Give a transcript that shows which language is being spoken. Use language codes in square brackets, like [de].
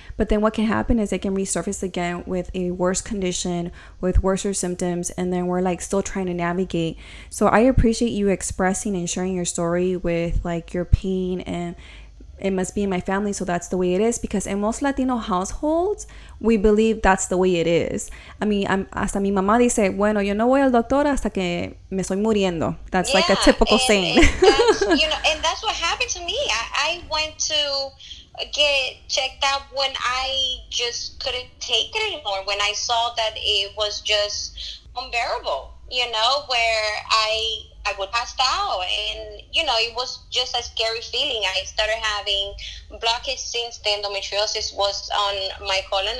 [en] But then what can happen is it can resurface again with a worse condition, with worser symptoms, and then we're like still trying to navigate. So I appreciate you expressing and sharing your story with like your pain, and it must be in my family, so that's the way it is. Because in most Latino households, we believe that's the way it is. [es] I mean, hasta mi mamá dice, bueno, yo no voy al doctor hasta que me estoy muriendo. [en] That's like a typical saying. And that's what happened to me. I went to get checked out when I just couldn't take it anymore, when I saw that it was just unbearable, you know, where I would pass out. And, you know, it was just a scary feeling. I started having blockage since the endometriosis was on my colon.